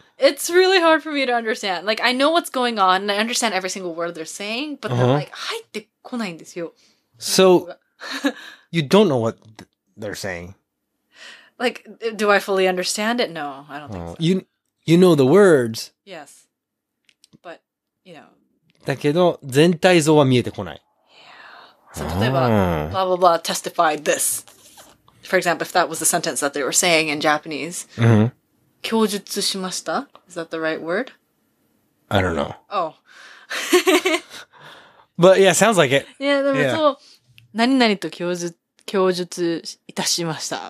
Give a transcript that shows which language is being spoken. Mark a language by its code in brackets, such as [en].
[en] It's really hard for me to understand. Like, I know what's going on, and I understand every single word they're saying, but they're like, [ja] 入ってこないんですよ. [en] So, you don't know what they're saying. Like, do I fully understand it? No, I don't think so. You know the words. Yes. But, [ja] だけど、全体像は見えてこない。 [en] Yeah. So, [ja] 例えば, [en] blah, blah, blah, testified this. For example, if that was the sentence that they were saying in Japanese. [ja] 供述しました? [en] Is that the right word? I don't know. Oh. But yeah, sounds like it. [ja] Yeah, でもそう、何々と供述いたしました。